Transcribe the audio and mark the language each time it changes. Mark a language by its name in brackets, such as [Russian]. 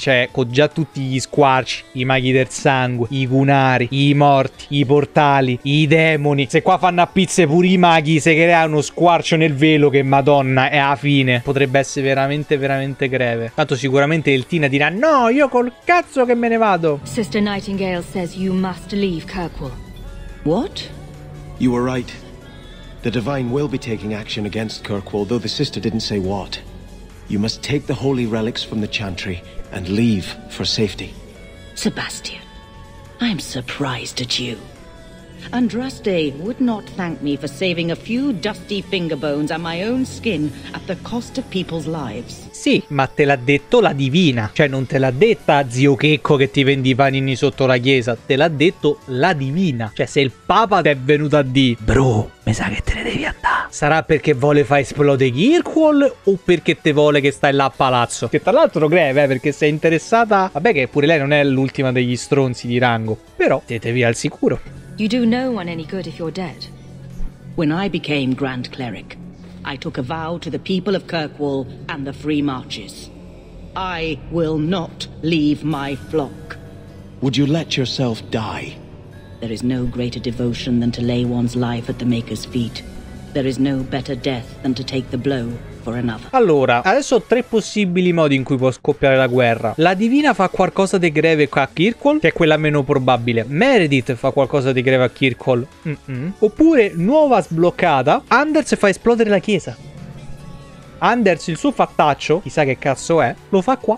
[Italian] Cioè, con già tutti gli squarci, i maghi del sangue, i cunari, i morti, i portali, i demoni. Se qua fanno a pizze pure i maghi, se crea uno squarcio nel velo, che madonna, è a fine. Potrebbe essere veramente, veramente greve. Tanto sicuramente il Tina dirà: no, io col cazzo che me ne vado. [English] Sister Nightingale says you must to leave Kirkwall. What? You were right. The Divine will be taking action against Kirkwall, though the sister didn't say what. You must take the holy relics from the chantry and leave for safety. Sebastian, I'm surprised at you. Andraste would not thank me for saving a few dusty finger bones and my own skin at the cost of people's lives. [Italian] Sì, ma te l'ha detto la divina. Cioè, non te l'ha detta zio Checco che ti vendi i panini sotto la chiesa. Te l'ha detto la divina. Cioè, se il papa ti è venuto a dire: [English] bro, [Italian] mi sa che te ne devi andare. Sarà perché vuole far esplodere Kirkwall o perché te vuole che stai là a palazzo? Che tra l'altro greve, perché sei interessata. Vabbè, che pure lei non è l'ultima degli stronzi di rango. Però siete via al sicuro. [English] You do no one any good if you're dead. When I became Grand Cleric, I took a vow to the people of Kirkwall and the Free Marches. I will not leave my flock. Would you let yourself die? There is no greater devotion than to lay one's life at the Maker's feet. There is no better death than to take the blow for another. [Italian] Allora, adesso ho tre possibili modi in cui può scoppiare la guerra. La Divina fa qualcosa di greve a Kirkwall, che è quella meno probabile. Meredith fa qualcosa di greve a Kirkwall. Oppure, nuova sbloccata, Anders fa esplodere la chiesa. Anders, il suo fattaccio, chissà che cazzo è, lo fa qua.